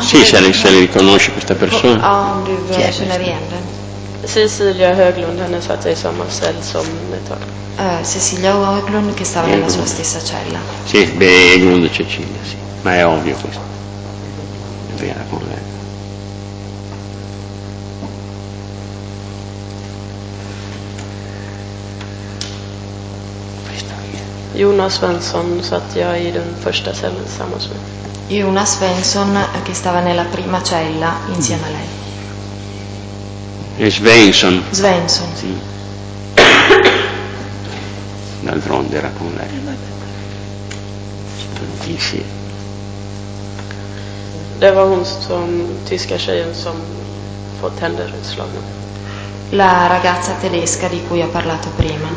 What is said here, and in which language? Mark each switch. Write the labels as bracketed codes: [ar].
[it] Sì, sì, se le riconosci questa persona. [sv] Ah, du känner igen den. Cecilia Höglund, hon satt i samma cell som ett tag. [it] Cecilia Höglund, che stava nella sua stessa cella. Sì, beh, Höglund e Cecilia, sì. Ma è ovvio questo. Vieni con lei. [sv] Jonas Svensson satt jag i den första cellen tillsammans med. [it] Jonas Svensson, che stava nella prima cella insieme a lei. E Svensson. Svensson. Sì. D'altronde era con lei. Sì. [sv] Det var hon som, tyska tjejen som fått händerna utslagna. [it] La ragazza tedesca di cui ho parlato prima.